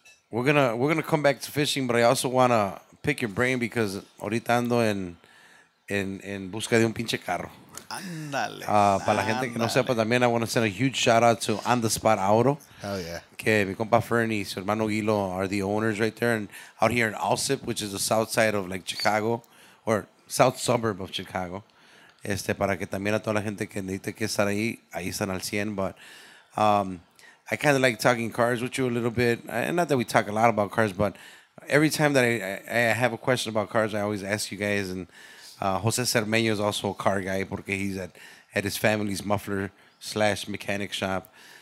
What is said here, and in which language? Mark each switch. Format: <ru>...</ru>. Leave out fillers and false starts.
<en>We're gonna come back to fishing, but I also want to pick your brain because</en> <es>ahorita ando en busca de un pinche carro. Para la gente que no sepa también,</es> <en>I want to send a huge shout out to On The Spot Auto. Hell yeah.</en> <es>Que mi compa Fernie y su hermano Guilo</es> <en>are the owners right there and out here in Alsip, which is the south side of like Chicago or south suburb of Chicago.</en> <es>Para que también a toda la gente que necesite que estar ahí, ahí están al 100.</es> <en>But I kind of like talking cars with you a little bit. Not that we talk a lot about cars, but every time that I have a question about cars, I always ask you guys. And Jose Cermeño is also a car guy porque he's at his family's muffler / mechanic shop.</en>